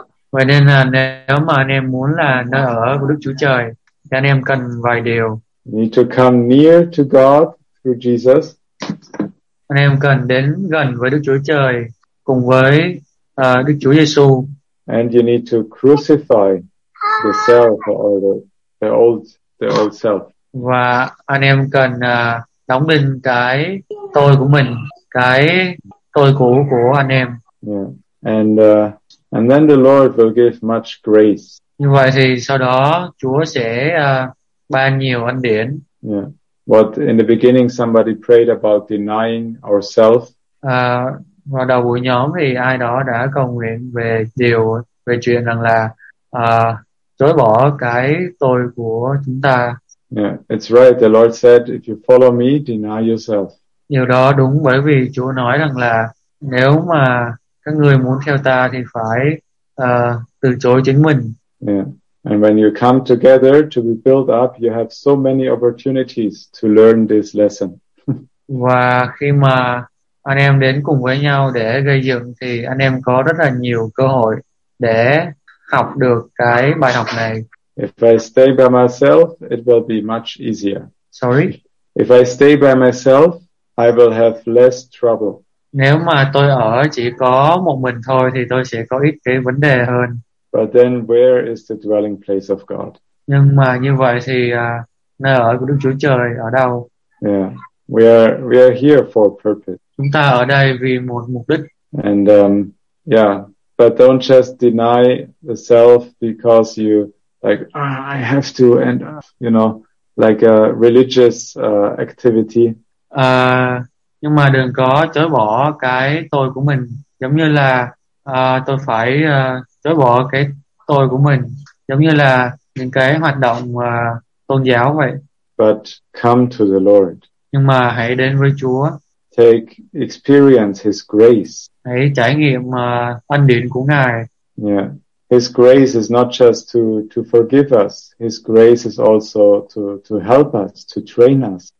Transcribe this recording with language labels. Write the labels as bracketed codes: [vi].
[vi] Vậy nên là nếu mà anh em muốn là nơi ở của Đức Chúa Trời, thì anh em cần vài điều. [en] You need to come near to God through Jesus. [vi] Anh em cần đến gần với Đức Chúa Trời cùng với Đức Chúa Giêsu. [en] And you need to crucify the self or the old self. [vi] Và anh em cần đóng đinh cái tôi của mình, cái tôi cũ của anh em. [en] Yeah. And then the Lord will give much grace. [vi] Như vậy thì sau đó Chúa sẽ ban nhiều ân điển. [en] Yeah. But in the beginning somebody prayed about denying ourselves. [vi] Và đầu buổi nhóm thì ai đó đã cầu nguyện về chuyện rằng là chối bỏ cái tôi của chúng ta. [en] Yeah, it's right. The Lord said, if you follow me, deny yourself. [vi] Điều đó đúng bởi vì Chúa nói rằng là nếu mà các người muốn theo ta thì phải từ chối chính mình. [en] Yeah. And when you come together to be built up, you have so many opportunities to learn this lesson. [vi] Và khi mà anh em đến cùng với nhau để gây dựng thì anh em có rất là nhiều cơ hội để học được cái bài học này. [en] If I stay by myself, it will be much easier. Sorry? If I stay by myself, I will have less trouble. [vi] Nếu mà tôi ở chỉ có một mình thôi thì tôi sẽ có ít cái vấn đề hơn. [en] But then where is the dwelling place of God? [vi] Nhưng mà như vậy thì nơi ở của Đức Chúa Trời ở đâu? [en] Yeah. We are here for a purpose. [vi] Chúng ta ở đây vì một mục đích. [en] And yeah, but don't just deny the self because you like I have to and you know like a religious activity. [vi] Nhưng mà đừng có chối bỏ cái tôi của mình giống như là tôi phải chối bỏ cái tôi của mình giống như là những cái hoạt động tôn giáo vậy. [en] But come to the Lord. [vi] Nhưng mà hãy đến với Chúa. [en] Take experience His grace. [vi] Hãy trải nghiệm ân điển của Ngài. [en] Yeah. His grace is not just to forgive us. His grace is also to help us, to train us.